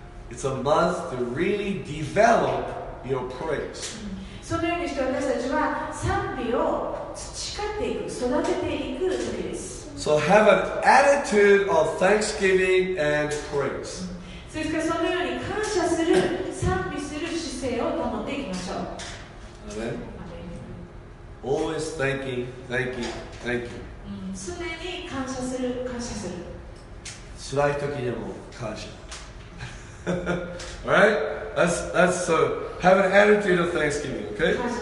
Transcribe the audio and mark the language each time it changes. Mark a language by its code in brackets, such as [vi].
[en] It's a month to really develop your praise. [ja] そのようにして私たちは賛美を培っていく、育てていく時です。 [en] So have an attitude of thanksgiving and praise. [ja] そしてそのように感謝する、賛美する姿勢を保っていきましょう。 [en] Amen. Always thanking, thanking, thanking. [ja] 常に感謝する、感謝する。辛い時でも感謝。 [en] All right, that's have an attitude of thanksgiving, okay?